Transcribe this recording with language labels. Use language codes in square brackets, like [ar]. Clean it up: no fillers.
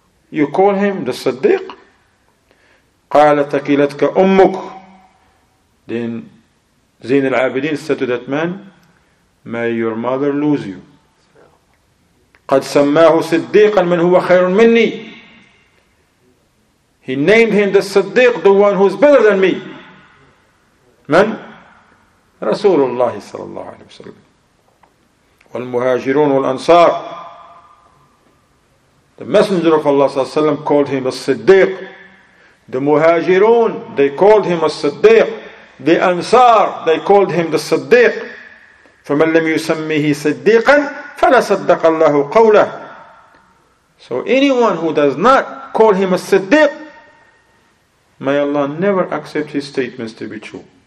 [en] You call him the Siddiq? [ar] قَالَ تَكِلَتْكَ أُمُّكَ [en] Then Zain al-Abidin said to that man, may your mother lose you. [ar] قَدْ سَمَّاهُ صِدِّيقًا مَنْ هُوَ خَيْرٌ مِنِّي [en] He named him the Siddiq, the one who is better than me. [ar] من؟ رسول الله صلى الله عليه وسلم والمهاجرون والأنصار [en] The messenger of Allah صلى الله عليه وسلم called him the Siddiq. The Muhajirun, they called him al-Siddiq. The Ansar, they called him the Siddiq. [ar] فَمَنْ لَمْ يُسَمِّهِ صِدِّيقًا فَلَا صَدَّقَ اللَّهُ قَوْلَهُ [en] So anyone who does not call him a Siddiq, may Allah never accept his statements to be true.